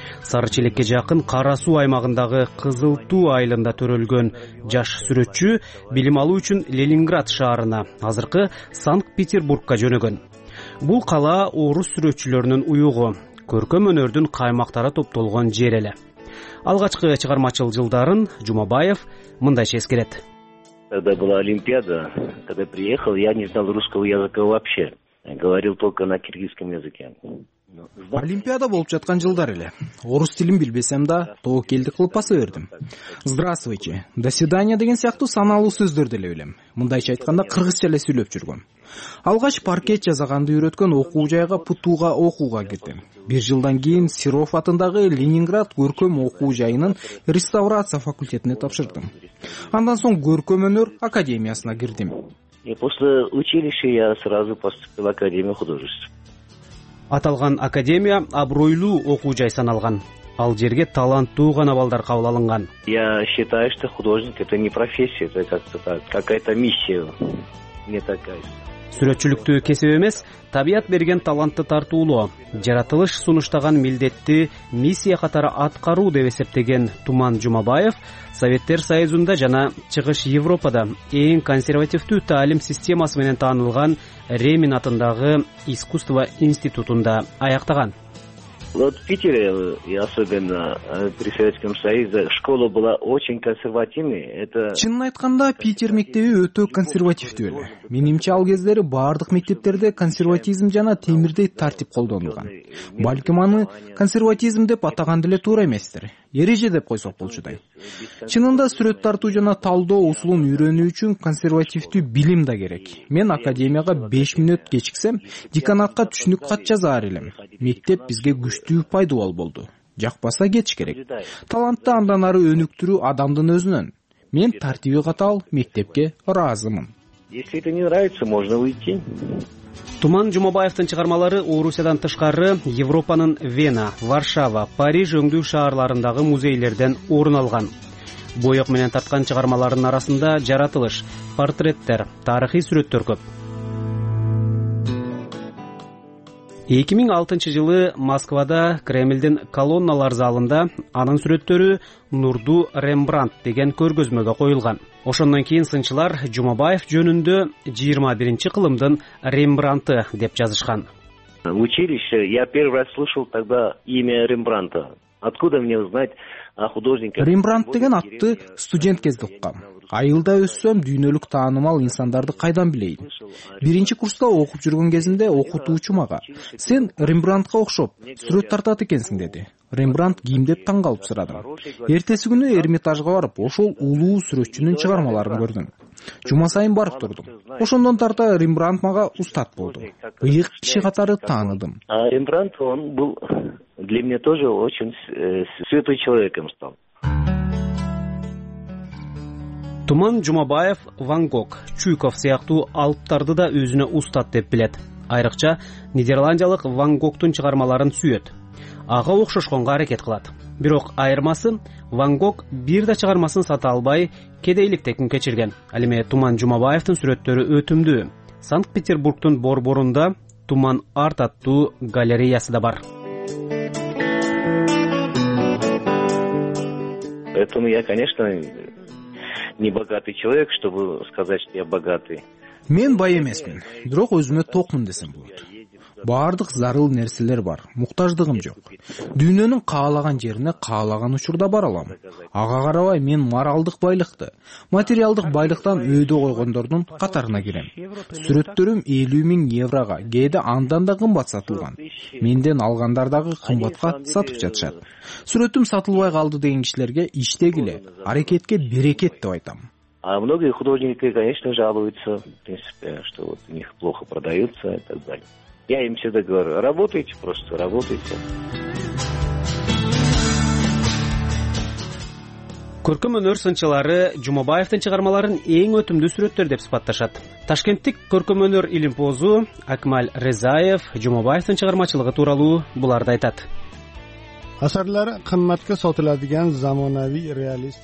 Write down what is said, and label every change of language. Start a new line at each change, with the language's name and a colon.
Kyrgyz: Сары Челекке жакын Карасуу аймагындагы Кызыл Туу айылында төрөлгөн жаш сүрөтчү билим алуу үчүн Ленинград шаарына, азыркы Санкт-Петербургка жөнөгөн. Бул кала орус сүрөтчүлөрүнүн уюгу, көркөм өнөрдүн каймактары топтолгон жер эле. Алгачкы чыгармачыл жылдарын Жумабаев мындайча эскерет.
Russian: Когда была Олимпиада, когда я приехал, я не знал русского языка вообще. Говорил только на киргизском языке.
Kyrgyz: Олимпиада болуп жаткан жылдар эле. Орус тилин билбесем да, тоо келди кылып баса бердим.
Russian: Здравствуйте, до свидания
Kyrgyz: деген сыяктуу саналуу сөздөрдү эле билем. Мындайча айтканда кыргызча эле сүйлөп жүргөм. Алгач паркет жасаганды үйрөткөн окуу жайга ПТУ-га окууга кирдим. Бир жылдан кийин Сиров атындагы Ленинград көркөм окуу жайынын реставрация факультетине тапшырдым. Андан соң көркөм өнөр академиясына кирдим.
Russian: После училища я сразу поступил в Академию художеств.
Kyrgyz: Аталган академия абройлуу окуу жай саналган. Ал жерге таланттуу гана балдар кабыл алынган.
Russian: Я считаю, что художник это не профессия, это как-то так, какая-то миссия. Не такая.
Kyrgyz: Сүрөтчүлүктү кесип эмес, табият берген талантты тартуулоо, жаратылыш сунуштаган милдетти миссия катары аткаруу деп эсептеген Туман Жумабаев Советтер Союзунда жана Чыгыш Европада эң консервативдүү таалим системасы менен таанылган Ремин атындагы искусство институтунда аяктаган.
Russian: Вот в Питере, и особенно при Советском Союзе, школа была очень консервативной. Это
Kyrgyz: чынын айтканда Питер мектеби өтө консервативдүү эле. Менимче ал кездери бардык мектептерде консерватизм жана темирдей тартип колдонулган. Балким аны консерватизм деп атаган деле туура эместир. Эреже деп койсок болчудай. Чынында сүрөт тартуу жана талдоо усулун үйрөнүү үчүн консервативдүү билим да керек. Мен академияга 5 мүнөт кечиксем, деканатка түшүнүк кат жазар элем. Мектеп бизге күчтүү пайдубал болду. Жакпаса кетиш керек. Талантты андан ары өнүктүрүү адамдын өзүнөн. Мен тартиби катаал мектепке ыраазымын.
Russian: Если это не нравится, можно уйти.
Kyrgyz: Туман Жумабаевтын чыгармалары Орусиядан тышкары Европанын Вена, Варшава, Париж өңдүү шаарларындагы музейлерден орун алган. Боек менен тарткан чыгармаларынын арасында жаратылыш, портреттер, тарыхый сүрөттөр көп. 2006 жылы Москвада Кремльдин колонналар залында анын сүрөттөрү Нурду Рембрандт деген көргөзмөгө коюлган. Ошондон кийин сынчылар Жумабаев жөнүндө 21-чи кылымдын Рембрандты деп жазышкан.
Russian: Училище, я первый раз слышал тогда имя Рембрандта. Откуда мне узнать о художнике?
Kyrgyz: Рембрандт деген атты студент кезде уккам. Айылда өссөм дүйнөлүк таанымал инсандарды кайдан билейин? Биринчи курста окуп жүргөн кезимде окутуучу мага: «Сен Рембрандтка окшоп сүрөт тартат экенсиң», деди. Рембрандт кимдеп таң калып сурадым. Эртеси күнү Эрмитажга барып, ошол улуу сүрөтчүнүн чыгармаларын көрдүм. Жума сайын барып турдум. Ошондон тарта Рембрандт мага устат болду. Ыйык киши катары тааныдым.
Russian: Рембрандт он был для меня тоже очень святой человеком стал.
Kyrgyz: Туман Жумабаев Ван Гог, Чуйков сыяктуу алыптарды да өзүнө устат деп билет. Айрыкча нидерландиялык Ван Гогтун чыгармаларын сүйөт. Ага окшошконго аракет кылат. Бирок айырмасы, Ван Гог бир да чыгармасын сата албай кедейликте күн кечирген. Ал эми Туман Жумабаевдин сүрөттөрү өтүмдүү. Санкт-Петербургтун борборунда Туман Арт аттуу галереясы да бар.
Russian: Поэтому я, конечно, не богатый человек, чтобы сказать, что я богатый.
Kyrgyz: Мен бай эмесмин, бирок өзүмө токмун десем болот. Бардык зарыл нерселер бар, муктаждыгым жок. Дүйнөнүн каалаган жерине каалаган учурда бара алам. Ага карабай мен моралдык байлыкты, материалдык байлыктан өйдө койгондордун катарына кирем. Сүрөттөрүм 50,000 еврога, кээде андан да кымбат сатылган. Менден алгандар дагы кымбатка сатып жатышат. Сүрөтүм сатылбай калды деген кишилерге иштегиле, аракетке берекет деп айтам.
Russian: А многие художники, конечно, жалуются, в принципе, что вот у них плохо продаются и так далее. Я им всегда говорю: работайте, просто работайте.
Kyrgyz: Көркөм өнөр сынчылары Жумабаевдин чыгармаларын эң өтүмдүү сүрөттөр деп сыпатташат. Ташкенттик көркөм өнөр илимпозу Акмаль Резаев Жумабаевдин чыгармачылыгы тууралуу буларды айтат.
Uzbek: Асарлары кымбатка сатыладыган заманавий реалист.